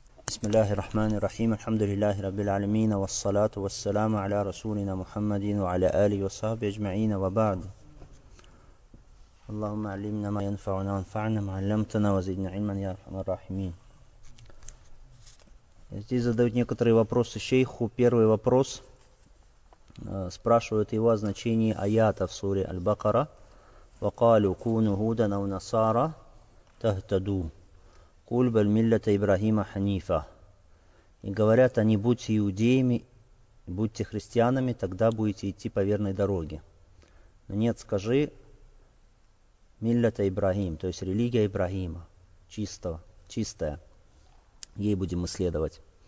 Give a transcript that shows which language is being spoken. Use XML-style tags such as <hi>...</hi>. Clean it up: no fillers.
<ar>بسم الله الرحمن الرحيم الحمد لله رب العالمين والصلاة والسلام على رسولنا محمد وعلى آله وصحبه أجمعين وبعد اللهم علمنا ما ينفعنا وانفعنا ما علمتنا وزدنا علما يا رحمن الرحيم.</ar> <ru>Здесь задают некоторые вопросы шейху. Первый вопрос спрашивают его о значении аята в суре Аль-Бакара.</ru> <ar>وقالوا كونوا هودا أو نصارى تهتدوا قل بل ملة إبراهيم حنيفة.</ar> <ru>И говорят они, будьте иудеями, будьте христианами, тогда будете идти по верной дороге. Но нет, скажи,</ru> <ar>миллята Ибрахим,</ar> <ru>то есть религия Ибрахима, чистого, чистая, ей будем исследовать.</ru>